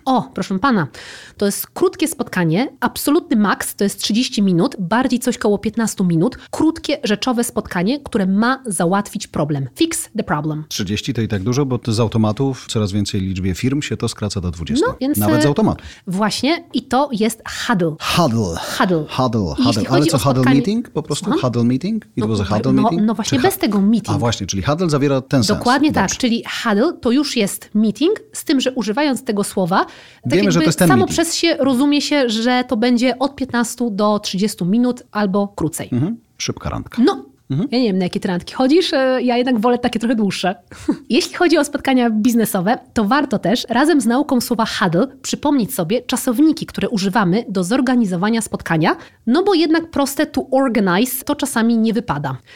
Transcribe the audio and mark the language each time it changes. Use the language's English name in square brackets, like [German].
[Polish] O, proszę pana, to jest krótkie spotkanie, absolutny maks to jest 30 minut, bardziej coś koło 15 minut, krótkie, rzeczowe spotkanie, które ma załatwić problem. [English] Fix the problem. [Polish] 30 to i tak dużo, bo z automatów w coraz więcej liczbie firm się to skraca do 20. No, więc nawet z automatu. Właśnie i to jest huddle. [English] Huddle. Huddle. [Polish] Huddle. Huddle. Ale co, huddle meeting? Po prostu [English] huddle meeting? It was a huddle meeting? [Polish] No właśnie, bez tego meeting. A właśnie, czyli huddle zawiera ten dokładnie sens. Dokładnie tak, czyli huddle to już jest meeting, z tym, że używając tego słowa, tak wiemy, jakby że to jest ten samo meeting. Przez się rozumie się, że to będzie od 15 do 30 minut albo krócej. Mhm. Szybka randka. No. Ja nie wiem, na jakie te randki chodzisz, ja jednak wolę takie trochę dłuższe. Jeśli chodzi o spotkania biznesowe, to warto też razem z nauką słowa huddle przypomnieć sobie czasowniki, które używamy do zorganizowania spotkania, no bo jednak proste [English] to organize [Polish] to czasami nie wypada.